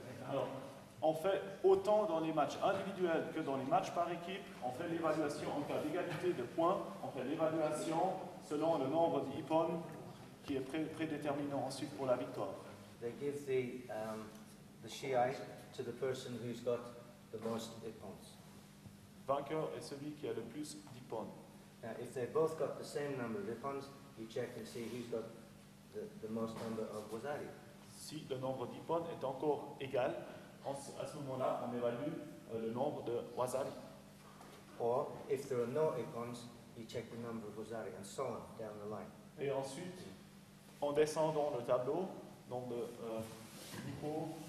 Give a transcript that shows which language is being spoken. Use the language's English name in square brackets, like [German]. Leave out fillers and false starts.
[French] Alors, on fait autant dans les matchs individuels que dans les matchs par équipe, on fait l'évaluation en cas d'égalité de points, on fait l'évaluation selon le nombre d'ippon qui est prédéterminant ensuite pour la victoire. [English] They give the shi'ai to the person who's got the most ippon. [French] Vainqueur est celui qui a le plus d'ippon. [English] If they both got the same number of ippons, you check and see who's got the most number of wazari. [French] Si le nombre d'ippon est encore égal, à ce moment-là, on évalue le nombre de wazari. [English] Or if there are no ippons, you check the number of wazari and so on down the line. [French] Et ensuite, en descendant le tableau, donc le niveau.